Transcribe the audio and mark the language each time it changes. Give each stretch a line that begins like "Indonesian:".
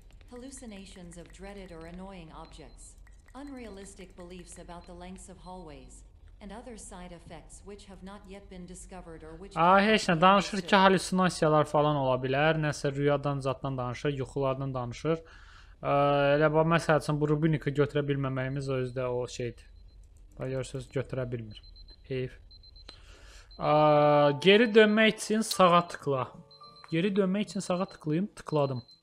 English: Hallucinations of dreaded or annoying objects, unrealistic beliefs about the lengths of hallways, and other side effects which have not yet been discovered or which.
Azerbaijani: Ah, heç nə danışır ki, hallüsinasiyalar falan ola bilər. Nəsə rüyadan zatdan danışır, yuxulardan danışır. Elə bax məsəl üçün bu Rubinik'i götürə bilməməyimiz o yüzden o şeydir. Bax görürsüz götürə bilmir. Heyf. Geri dönmək üçün sağa tıkla. Geri dönmək üçün sağa tıklayım, tıkladım.